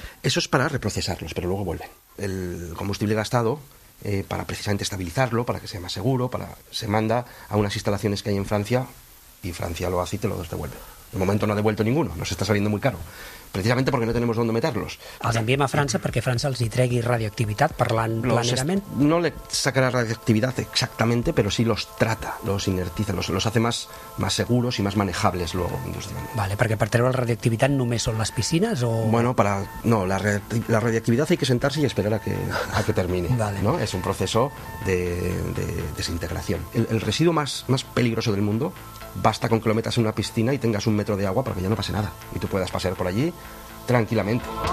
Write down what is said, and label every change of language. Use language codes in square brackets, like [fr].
[es] Eso es para reprocesarlos, pero luego vuelven. El combustible gastado, para precisamente estabilizarlo, para que sea más seguro, se manda a unas instalaciones que hay en Francia y Francia lo hace y te lo devuelve. De momento no ha devuelto ninguno, nos está saliendo muy caro. Precisamente porque no tenemos dónde meterlos. [ca] Els enviem a França perquè França els hi tregui radioactivitat parlant planerament. [es] No le sacará radioactividad exactamente, pero sí los trata, los inertiza, los hace más seguros y más manejables luego industrialmente. [ca] Vale, perquè per treure la radioactivitat només són les piscines o... [es] Bueno, la radioactividad hay que sentarse y esperar a que termine. Vale. ¿No? Es un proceso de desintegración. El residuo más peligroso del mundo, basta con que lo metas en una piscina y tengas un metro de agua para que ya no pase nada y tú puedas pasear por allí tranquilamente.